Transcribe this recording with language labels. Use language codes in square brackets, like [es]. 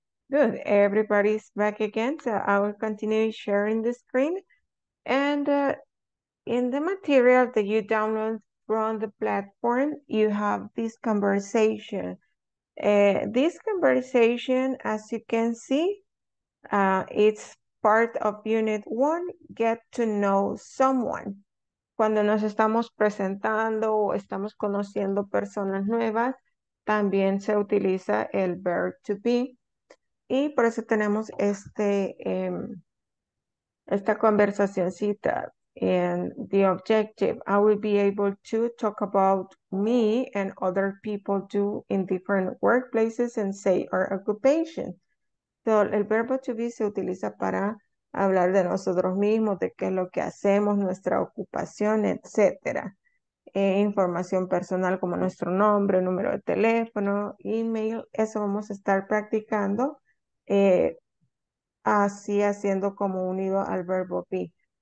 [en] Good, everybody's back again. So I will continue sharing the screen. And in the material that you download from the platform, you have this conversation. This conversation, as you can see, it's part of Unit 1, Get to Know Someone. [es] Cuando nos estamos presentando o estamos conociendo personas nuevas, también se utiliza el verb to be. Y por eso tenemos esta conversacioncita. [en] And the objective, I will be able to talk about me and other people do in different workplaces and say our occupation. [es] So, el verbo to be se utiliza para hablar de nosotros mismos, de qué es lo que hacemos, nuestra ocupación, etc. Información personal como nuestro nombre, número de teléfono, email, eso vamos a estar practicando así haciendo como unido al verbo be.